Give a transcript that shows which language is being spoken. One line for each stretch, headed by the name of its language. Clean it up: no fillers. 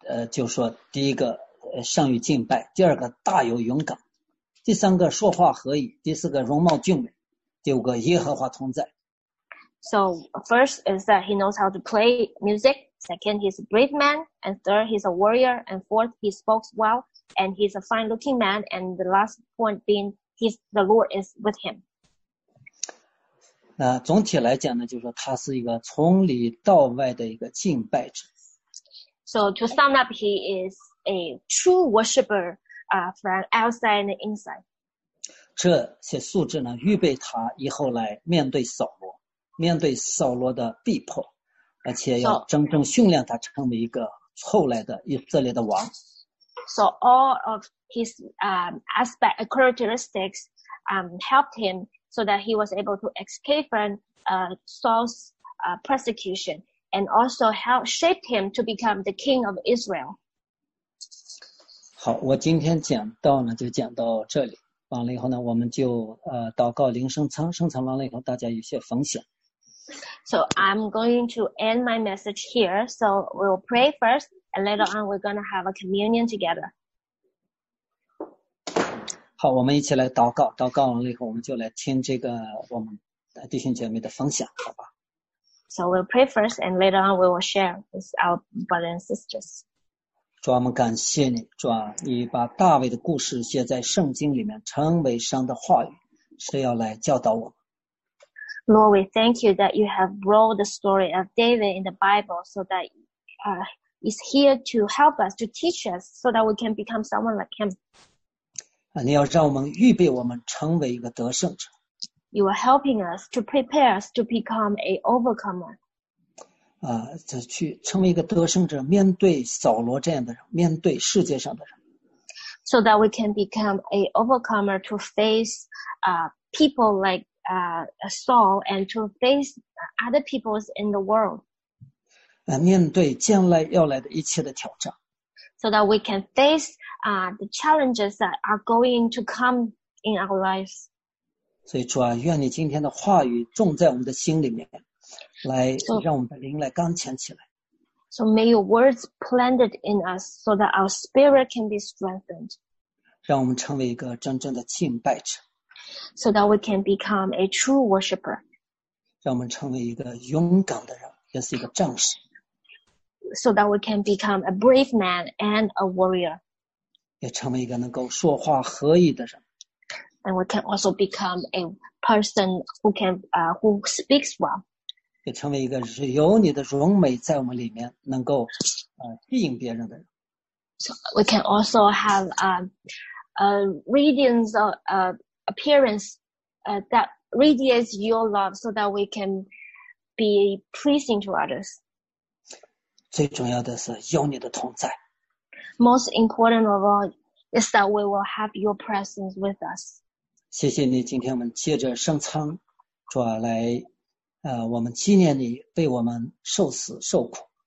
Chinese: 就说第一个善于敬拜，第二个大有勇敢，第三个说话合宜，第四个容貌俊美，第五个耶和华同在。
English: So first is that he knows how to play music. Second, he's a brave man. And third, he's a warrior. And fourth, he spoke well. And he's a fine-looking man. And the last point being, he's the Lord is with him.
Chinese: 那总体来讲呢，就是说他是一个从里到外的一个敬拜者。
English: So to sum up, he is a true worshipper, from outside and inside.
Chinese: 这些素质呢，预备他以后来面对扫罗，面对扫罗的逼迫，而且要真正训练他成为一个后来的以色列的王。
English: So all of his aspect characteristics helped him so that he was able to escape from Saul's persecution. And also helped shape him to become the king of Israel.
Chinese: 好，我今天讲到呢，就讲到这里。完了以后呢，我们就祷告灵升舱，升舱完了以后，大家有些分享。
English: So I'm going to end my message here. So we'll pray first, and later on we're going to have a communion together.
Chinese: 好，我们一起来祷告。祷告完了以后，我们就来听这个我们弟兄姐妹的分享，好吧？
English: So we'll pray first and later on we will share with our brothers and sisters.
Chinese: 主啊，我们感谢你，主啊，你把大卫的故事写在圣经里面，成为神的话语，是要来教导我们。
English: Lord, we thank you that you have wrote the story of David in the Bible so that it's here to help us, to teach us, so that we can become someone like him.
Chinese: 你要让我们预备我们成为一个得胜者。
English: You are helping us to prepare us to become an overcomer.
Chinese: 去成为一个得胜者，面对扫罗这样的人，面对世界上的人。
English: So that we can become an overcomer to face people like Saul and to face other peoples in the world.
Chinese: 面对将来要来的一切的挑战。
English: So that we can face the challenges that are going to come in our lives.
Chinese: 所以主啊，愿你今天的话语种在我们的心里面，来让我们的灵来刚强起来。
English: So may your words planted in us so that our spirit can be strengthened.
Chinese: 让我们成为一个真正的敬拜者。
English: So that we can become a true worshipper.
Chinese: 让我们成为一个勇敢的人，也是一个战士。
English: So that we can become a brave man and a warrior.
Chinese: 也成为一个能够说话合宜的人。
English: And we can also become a person who can, who speaks well.
Chinese: 也成为一个是有你的荣美在我们里面，能够吸引别人的人。
English: So we can also have a radiance of appearance that radiates your love, so that we can be pleasing to others.
Chinese: 最重要的是有你的同在。
English: Most important of all is that we will have your presence with us.
Chinese: 谢谢你今天我们借着圣餐主啊来我们纪念你为我们受死受苦。